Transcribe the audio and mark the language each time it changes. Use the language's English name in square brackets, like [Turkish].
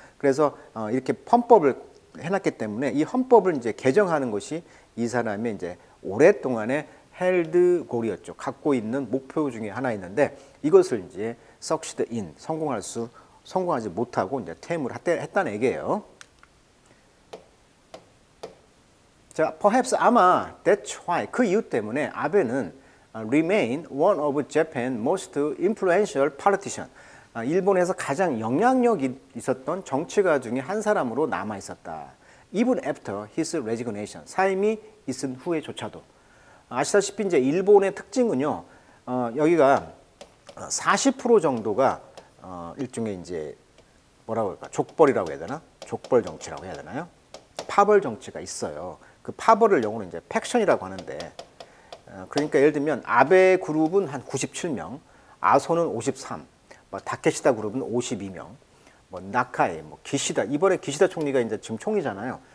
[Korean] 그래서 이렇게 헌법을 해놨기 때문에 이 헌법을 이제 개정하는 것이 이 사람의 이제 오랫동안의 헬드 골이었죠. 갖고 있는 목표 중에 하나였는데 이것을 이제 [English] succeed in [Korean] 성공하지 못하고 이제 템을 했다는 얘기예요. [English] 자, perhaps [Korean] 아마 [English] that's why [Korean] 그 이유 때문에 아베는 [English] remain one of Japan's most influential politician. [Korean] 일본에서 가장 영향력이 있었던 정치가 중에 한 사람으로 남아 있었다. [English] Even after his resignation, [Korean] 사임이 있은 후에조차도. 아시다시피 이제 일본의 특징은요. 여기가 40% 정도가 일종의 이제 뭐라고 할까? 족벌이라고 해야 되나? 족벌 정치라고 해야 되나요? 파벌 정치가 있어요. 그 파벌을 영어로 이제 팩션이라고 하는데 그러니까 예를 들면 아베 그룹은 한 97명, 아소는 53, 뭐 다케시다 그룹은 52명, 뭐 나카에 뭐 기시다 이번에 기시다 총리가 이제 지금 총리잖아요.